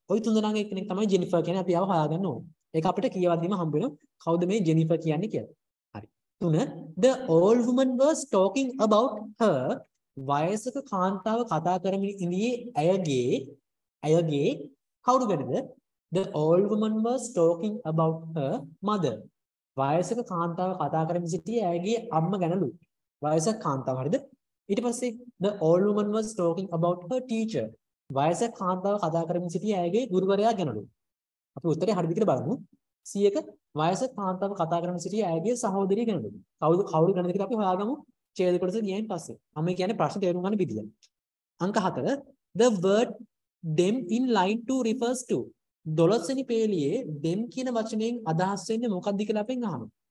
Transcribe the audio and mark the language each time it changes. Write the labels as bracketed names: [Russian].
[Sinhala] ওই තුන දෙනාගේ එකෙක් තමයි ජෙනිෆර් කියන්නේ අපි ආව හොයාගන්න ඕනේ. ඒක අපිට කියවද්දිම හම්බ වෙනවා කවුද මේ ජෙනිෆර් කියන්නේ කියලා. හරි. [English] 3 the old woman was talking about her [Sinhala] වයසක කාන්තාව කතා කරමින් ඉඳියේ ඇයගේ කවුරුගෙනද? [English] The old woman was talking about her mother. [Sinhala] වයසක කාන්තාව කතා කරමින් සිටියේ ඇයගේ අම්ම ගැනලු. වයසක කාන්තාව හරිද? ඊට පස්සේ [English] the old woman was talking about her teacher. [Sinhala] වයසක කාන්තාව කතා කරමින් සිටියේ ඇයගේ ගුරුවරයා ගැනලු. අපි උත්තරේ හරියට බලමු. සියක වයසක කාන්තාව කතා කරන සිටි ඇගේ සහෝදරිය ගැනද? කවුද කවුරු ගැනද කියලා අපි හොයාගමු ඡේද කොටස ගියන් පස්සේ. මම කියන්නේ ප්‍රශ්න තේරුම් ගන්න විදිය. අංක 4 [English] the word them in line 2 refers to [Sinhala] 12 වෙනි පේළියේ them කියන වචනයෙන් අදහස් වෙන්නේ මොකක්ද කියලා අපෙන් අහමු.